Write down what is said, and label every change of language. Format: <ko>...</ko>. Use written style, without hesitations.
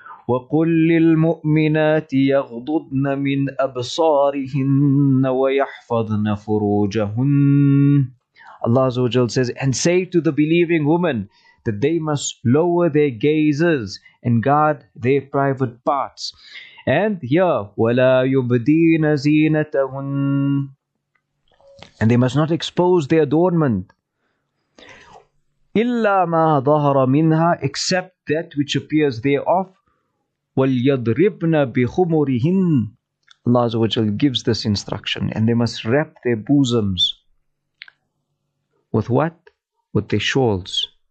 <ar>وَقُلْ لِلْمُؤْمِنَاتِ يَغْضُضْنَ مِنْ أَبْصَارِهِنَّ وَيَحْفَظْنَ فُرُوجَهُنَّ.</ar> <en>Allah Azza wa Jalla says, and say to the believing woman that they must lower their gazes and guard their private parts. And here,</en> <ar>وَلَا يُبْدِينَ زِينَتَهُنَّ.</ar> <en>And they must not expose their adornment.</en> <ar>إِلَّا مَا ظَهَرَ مِنْهَا,</ar> <en>except that which appears thereof.</en> <ar>وَلْيَضْرِبْنَ بِخُمُرِهِنْ.</ar> <en>Allah Azza wa Jal gives this instruction. And they must wrap their bosoms. With what? With their shawls.</en>